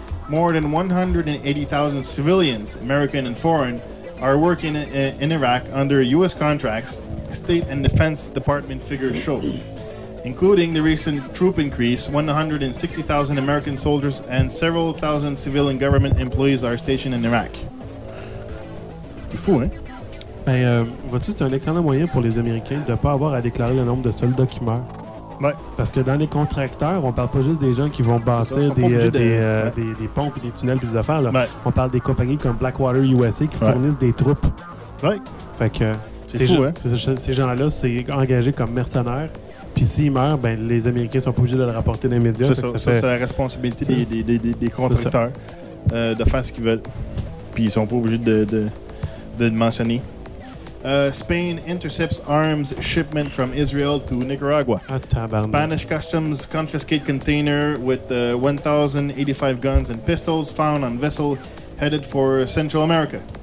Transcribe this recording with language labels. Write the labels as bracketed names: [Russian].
[English] More than 180,000 civilians, American and foreign, are working in Iraq under U.S. contracts, State and Defense Department figures show. Including the recent troop increase, 160,000 American soldiers and several thousand civilian government employees are stationed in Iraq. [French] C'est fou, hein? Ben, vois-tu, c'est un excellent moyen pour les Américains de ne pas avoir à déclarer le nombre de soldats qui meurent. Ouais. Parce que dans les contracteurs, on parle pas juste des gens qui vont bâtir des pompes et des tunnels et des affaires. Là. Ouais. On parle des compagnies comme Blackwater USA qui fournissent des troupes. Ouais. Fait que ces gens-là, c'est engagés comme mercenaires. Puis s'ils meurent, ben, les Américains sont pas obligés de le rapporter dans les médias. C'est la responsabilité des contracteurs de faire ce qu'ils veulent. Puis ils sont pas obligés de le mentionner. [English] Spain intercepts arms shipment from Israel to Nicaragua. Spanish customs confiscate container with 1,085 guns and pistols found on vessel headed for Central America.